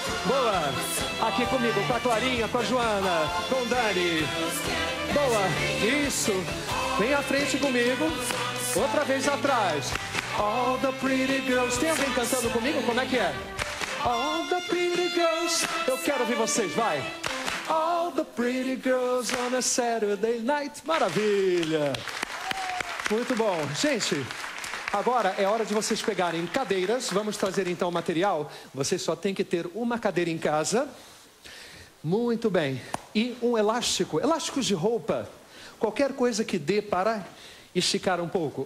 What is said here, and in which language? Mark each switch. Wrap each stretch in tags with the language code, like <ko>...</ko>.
<pt>Boa. Aqui comigo, com a Clarinha, com a Joana, com o Dani. Boa. Isso. Vem à frente comigo. Outra vez atrás.</pt> <en>All the pretty girls.</en> <pt>Tem alguém cantando comigo? Como é que é?</pt> <en>All the pretty girls.</en> <pt>Eu quero ouvir vocês, vai.</pt> <en>All the pretty girls on a Saturday night.</en> <pt>Maravilha. Muito bom. Gente, agora é hora de vocês pegarem cadeiras. Vamos trazer então o material. Vocês só têm que ter uma cadeira em casa. Muito bem. E um elástico. Elásticos de roupa. Qualquer coisa que dê para esticar um pouco.</pt>